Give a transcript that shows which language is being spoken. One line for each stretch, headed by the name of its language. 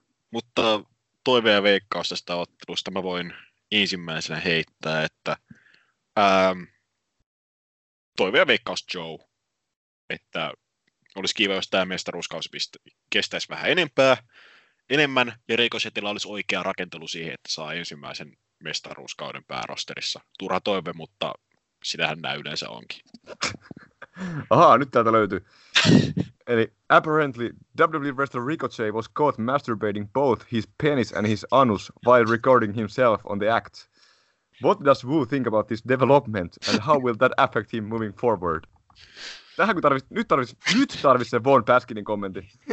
Finnish: Mutta toive ja veikkaus tästä ottelusta mä voin ensimmäisenä heittää, että toive ja veikkaus Joe, että olisi kiva, jos tämä mestaruuskausi kestäisi vähän enemmän, ja Ricochetilla olisi oikea rakentelu siihen, että saa ensimmäisen mestaruuskauden päärosterissa. Turha toive, mutta sitähän nämä yleensä onkin. Ahaa, nyt täältä löytyy.
English: Eli apparently WWE wrestler Ricochet was caught masturbating both his penis and his anus while recording himself on the act. What does Wu think about this development and how will that affect him moving forward?
Finnish: Tähän kun tarvitsi, nyt tarvitsi se Vaugn Baskinin kommentti.